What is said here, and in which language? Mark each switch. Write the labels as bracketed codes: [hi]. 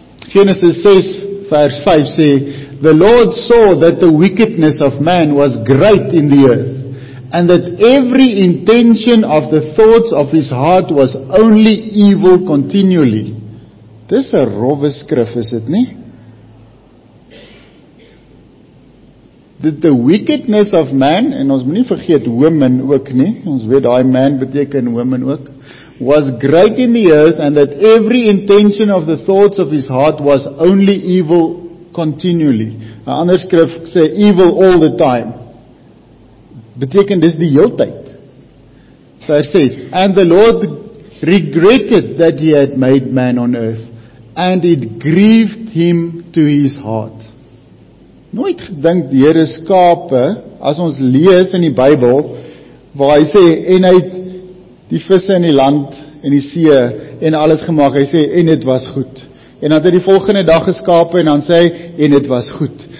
[en] Genesis 6 [af] vers 5 sê [en] the Lord saw that the wickedness of man was great in the earth. And that every intention of the thoughts of his heart was only evil continually. [af] Dis 'n rowwe skrif, is dit nie? [en] That the wickedness of man, [af] en ons moet nie vergeet woman ook [en] nie, ons weet daai man beteken woman ook, was great in the earth, and that every intention of the thoughts of his heart was only evil continually. [af] 'N ander skrif sê [en] evil all the time. [af] Beteken dis die heeltyd. [en] Vers 6 And the Lord regretted that he had made man on earth and it grieved him to his heart. [af] Nooit gedink die Here skape as ons lees in die Bybel waar hy sê en hy het die visse in die land en die see en alles gemaak. Hy sê en dit was goed. En dan het hy die volgende dag geskape en dan sê hy en dit was goed.